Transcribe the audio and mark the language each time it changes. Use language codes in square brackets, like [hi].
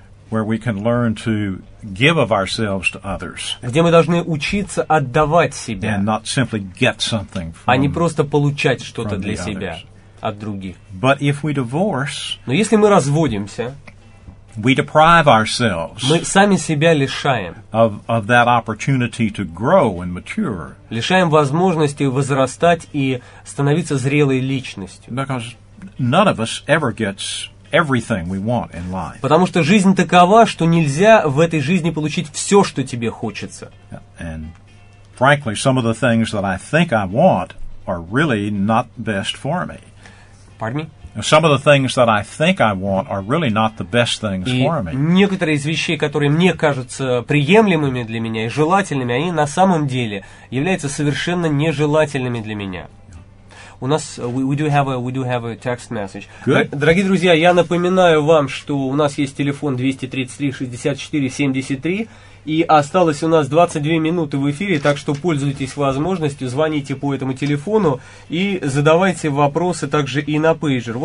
[en] Where we can learn to give of ourselves to others. [ru] Где мы должны учиться отдавать себя. [en] And not simply get something from, [ru] а не просто получать что-то для себя от других. [en] But if we divorce, [ru] но если мы разводимся, [en] we deprive ourselves, [ru] мы сами себя лишаем [en] of that opportunity to grow and mature, [ru] лишаем возможности возрастать и становиться зрелой личностью. [en] Because none of us ever gets everything we want in life. [ru] Потому что жизнь такова, что нельзя в этой жизни получить все, что тебе хочется. [en] And frankly, some of the things that I think I want are really not best for me. Pardon me? Some of the things that I think I want are really not the best things for me. [ru] И некоторые из вещей, которые мне кажутся приемлемыми для меня и желательными, они на самом деле являются совершенно нежелательными для меня. У нас [en] we do have a text message. Good. [ru] Дорогие друзья, я напоминаю вам, что у нас есть телефон 233-64-73, и осталось у нас 22 минуты в эфире, так что пользуйтесь возможностью, звоните по этому телефону и задавайте вопросы также и на пейджер.